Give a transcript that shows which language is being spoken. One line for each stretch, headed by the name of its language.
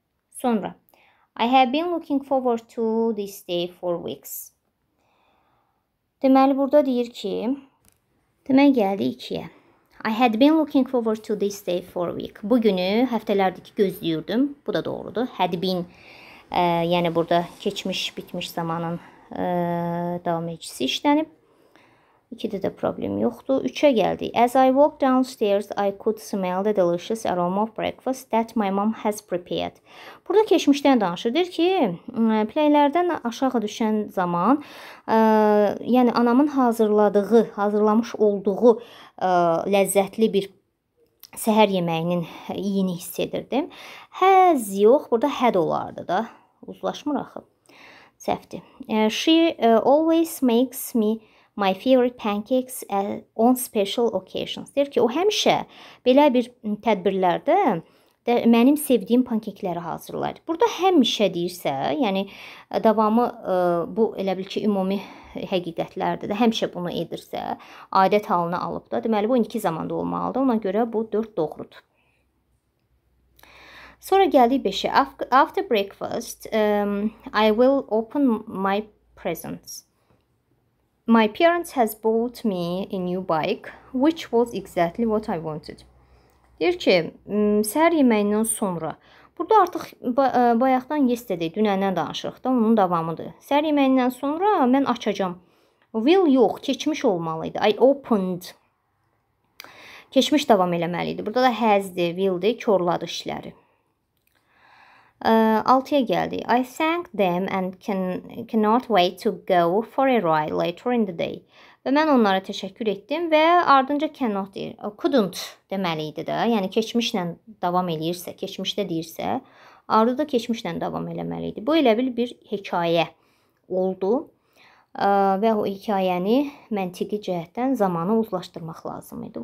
English: Sonra, I have been looking forward to this day for weeks.
Azerbaijani: Deməli, burada deyir ki, demək gəldi ikiyə.
English: I had been looking forward to this day for a week.
Azerbaijani: Bu günü həftələrdir ki gözləyirdim. Bu da doğrudur. Had been, yəni burada keçmiş, bitmiş zamanın davam edicisi işlənib. İkidə də problem yoxdur. Üçə gəldi.
English: As I walked downstairs, I could smell the delicious aroma of breakfast that my mom has prepared.
Azerbaijani: Burada keçmişdən danışır. Deyir ki, pləylərdən aşağı düşən zaman, yəni anamın hazırlamış olduğu ləzzətli bir səhər yeməyinin iyini hiss edirdim. Has yox, burada had olardı da. Uzlaşmır axı. Səhvdir.
English: She always makes me my favorite pancakes on special occasions.
Azerbaijani: Deyir ki, o həmişə belə bir tədbirlərdə mənim sevdiyim pankekləri hazırlar. Burada həmişə deyirsə, yəni davamı bu elə bil ki, ümumi həqiqətlərdə də həmişə bunu edirsə, adət halını alıb da. Deməli, bu indiki zamanda olmalıdır. Ona görə bu 4 doğrudur. Sonra gəldik 5-ə.
English: After breakfast, I will open my presents. My parents has bought me a new bike, which was exactly what I wanted.
Azerbaijani: Deyir ki, səhər yeməyindən sonra, burada artıq bayaqdan yesterday, dünəndən danışırıq da, onun davamıdır. Səhər yeməyindən sonra mən açacağım. Will yox, keçmiş olmalıydı. I opened. Keçmiş davam eləməliydi. Burada da has-dir, will-dir, körladı işləri. 6-ya gəldi.
English: I thank them and cannot wait to go for a ride later in the day.
Azerbaijani: Və mən onlara təşəkkür etdim və ardınca cannot deyir. Couldn't deməli idi də. Yəni, keçmişlə davam eləyirsə, keçmişdə deyirsə, ardı da keçmişlə davam eləməli idi. Bu elə bir hekayə oldu və o hekayəni məntiqi cəhətdən zamanı uzlaşdırmaq lazım idi.